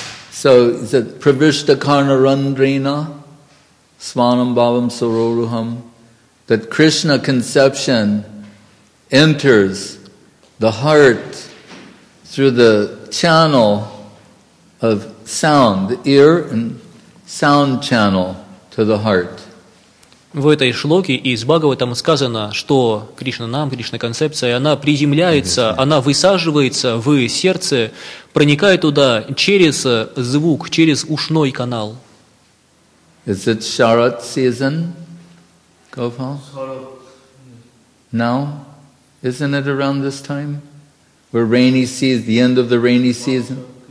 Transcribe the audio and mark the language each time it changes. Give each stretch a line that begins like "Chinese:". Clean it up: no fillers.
English: So, is it
Sanskrit: Pravishta Karna Randrena Svanam Bhavam Saroruham?
English: That Krishna conception enters the heart through the channel of sound, the ear and sound channel to the heart.
Russian: В этой шлоке из Бхагаватам сказано, что Кришна нам, Кришна концепция, она приземляется, она высаживается в сердце, проникает туда через звук, через ушной канал.
English: Is it Sharat season, Gopal? Now? Isn't it around this time? Where rainy season, the end of the rainy season?